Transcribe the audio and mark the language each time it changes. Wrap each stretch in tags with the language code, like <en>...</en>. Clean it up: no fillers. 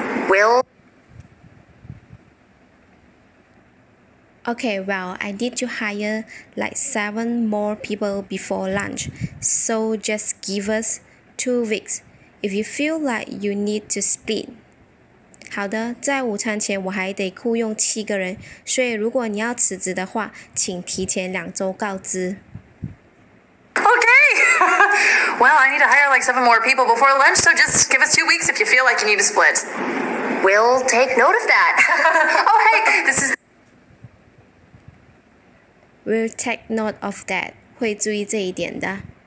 <en>Will. Okay, well, I need to hire like 7 more people before lunch, so just give us 2 weeks if you feel like you need to split.</en> <zh>好的，在午餐前我还得雇佣7个人，所以如果你要辞职的话，请提前2周告知。</zh> <en>Okay. Well, I need to hire like 7 more people before lunch, so just give us 2 weeks if you feel like you need to split. We'll take note of that. Oh, hey, this is. We'll take note of that.</en> <zh>会注意这一点的。</zh>